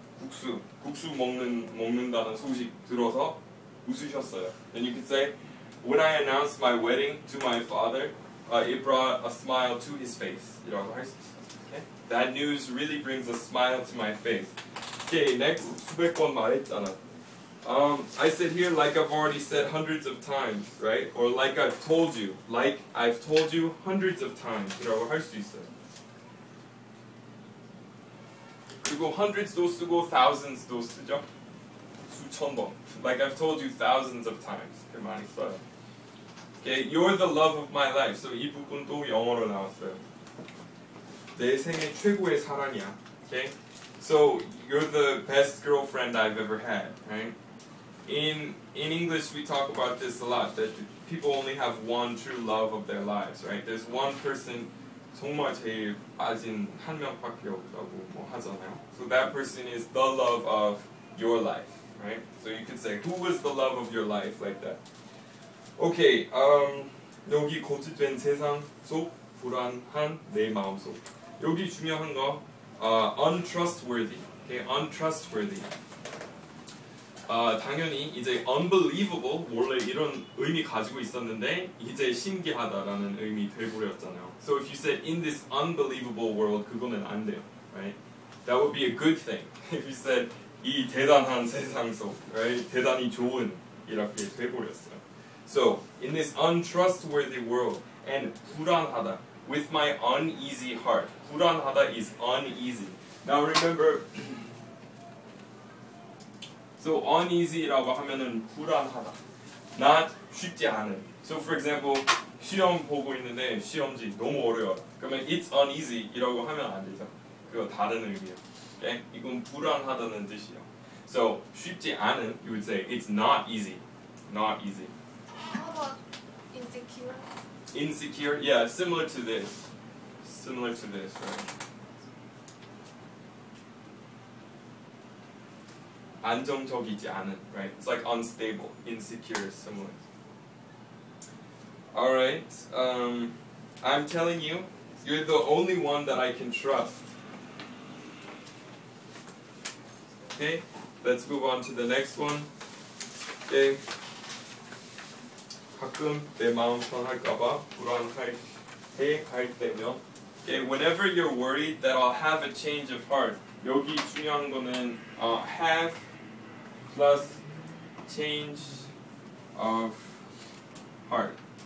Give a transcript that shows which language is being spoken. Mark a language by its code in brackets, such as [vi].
[ko] 국수 먹는다는 소식 들어서 웃으셨어요. [en] Then you could say, when I announced my wedding to my father, it brought a smile to his face. [ko] 이라고 할 수 있어요. Okay? [en] That news really brings a smile to my face. Okay, next, [ko] 수백 번 말했잖아. [en] I said here, like I've already said hundreds of times, right? Or like I've told you. Like I've told you hundreds of times. [ko] 이라고 할 수 있어요. 그리고 hundreds도 쓰고 thousands도 쓰죠. 수천 번. [en] Like I've told you thousands of times. [ko] 그 많이 써요. [en] Okay, you're the love of my life. [ko] So 이 부분도 영어로 나왔어요. 내 생애 최고의 사랑이야. [en] Okay? So you're the best girlfriend I've ever had, right? In English, we talk about this a lot, that people only have one true love of their lives, right? There's one person, [ko] 정말 제일 빠진 한 명밖에 없다고 뭐 하잖아요. [en] So that person is the love of your life, right? So you could say, who was the love of your life, like that. [ko] Okay, 여기 고치된 세상 속 불안한 내 마음 속. 여기 중요한 거, untrustworthy, okay, untrustworthy. 당연히 이제 unbelievable 원래 이런 의미 가지고 있었는데 이제 신기하다라는 의미 돼버렸잖아요. [en] So if you said in this unbelievable world, [ko] 그거는 안 돼요, [en] right? That would be a good thing. If you said [ko] 이 대단한 세상 속, [en] right? [ko] 대단히 좋은 이렇게 돼버렸어요. [en] So in this untrustworthy world and 불안하다 with my uneasy heart. 불안하다 is uneasy. Now remember. [ko] So uneasy라고 하면은 불안하다, not 쉽지 않은. So for example, 시험 보고 있는데 시험지 너무 어려워. 그러면 it's uneasy이라고 하면 안 되죠. 그거 다른 의미예요. okay? 이건 불안하다는 뜻이요. [en] So [ko] 쉽지 않은, [en] you would say it's not easy, not easy. How about insecure? Insecure, yeah, similar to this, similar to this, right? [ko] 안정적이지 않은, [en] right? It's like unstable, insecure, similar. All right, I'm telling you, you're the only one that I can trust. Okay, let's move on to the next one. Okay. [ko] 가끔 내 마음 편할까봐 불안해 할 때면. [en] Okay, whenever you're worried that I'll have a change of heart. [ko] 여기 중요한 거는 [en] have plus change of heart.